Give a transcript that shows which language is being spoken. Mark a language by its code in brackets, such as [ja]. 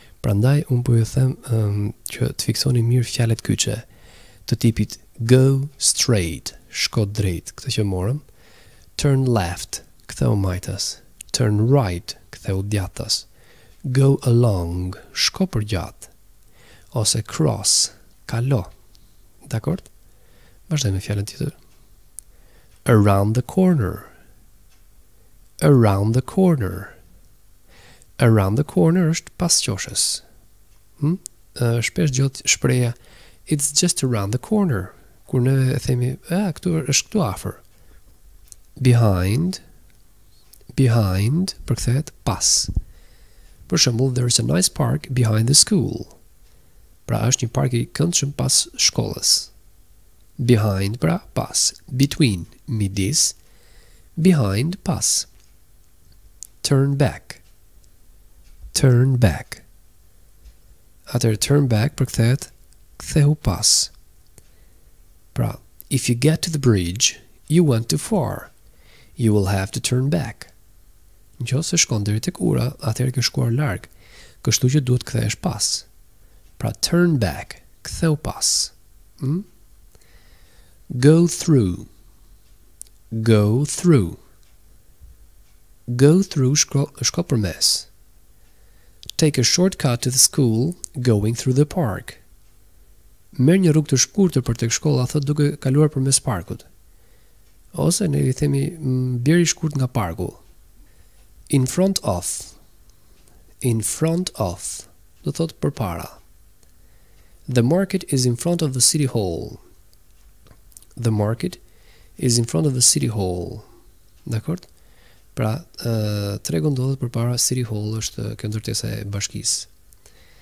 [sq] Prandaj unë po ju them që të fiksoni mirë fjalët kyçe të tipit [en] go straight, [sq] shko drejt, këtë që morëm, [en] turn left, [sq] ktheu majtas, [en] turn right, [sq] ktheu djathtas, [en] go along, [sq] shko përgjat, ose cross, kalo. Dakord? Vazhdojmë me fjalën tjetër. [en] Around the corner. Around the corner. Around the corner [sq] është pas qoshes. Shpesh gjot shpreha [en] it's just around the corner. [sq] Kur ne themi, këtu është këtu afër. [en] Behind. Behind, [sq] përkthehet pas. Për shembull, [en] there is a nice park behind the school. [sq] Pra është një park I këndshëm pas shkollës. [en] Behind, [sq] pra pas. [en] Between, [sq] midis. [en] Behind, pas. Turn back. Turn back. [sq] Atëherë [en] turn back [sq] përkthehet kthehu pas. [en] Pra, if you get to the bridge, you went too far. You will have to turn back. [sq] Nëse shkon deri tek ura, atëherë ke shkuar larg. Kështu që duhet kthehesh pas. Pra [en] turn back, [sq] kthehu pas. [en] Go through. Go through. Go through [sq] shkoj përmes. [en] Take a shortcut to the school, going through the park. [sq] Merr një rrugë të shkurtër për tek shkolla, thot duke kaluar përmes parkut. Ose ne I themi bjerë I shkurt nga parku. [en] In front of. In front of. [sq] Do thot përpara. [en] The market is in front of the city hall. The market is in front of the city hall. [sq] Dakord? Pra, tregu ndodhet përpara city hall, është kjo ndërtesa e bashkisë.